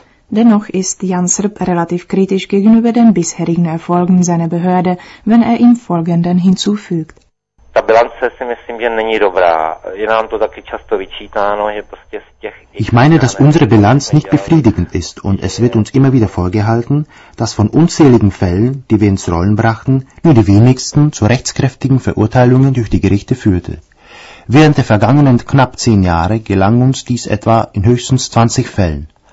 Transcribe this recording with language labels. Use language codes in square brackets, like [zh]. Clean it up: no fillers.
[de] Dennoch ist Jan Srb relativ kritisch gegenüber den bisherigen Erfolgen seiner Behörde, wenn er im Folgenden hinzufügt. [cs] ta bilance si myslím, že není dobrá. Je nám to taky často vyčítáno, že prostě z těch... [de] Ich meine, dass unsere Bilanz nicht befriedigend ist und es wird uns immer wieder vorgehalten, dass von unzähligen Fällen, die wir ins Rollen brachten, nur die wenigsten zu rechtskräftigen Verurteilungen durch die Gerichte führte. Während der vergangenen knapp 10 Jahre gelang uns dies etwa in höchstens 20 Fällen.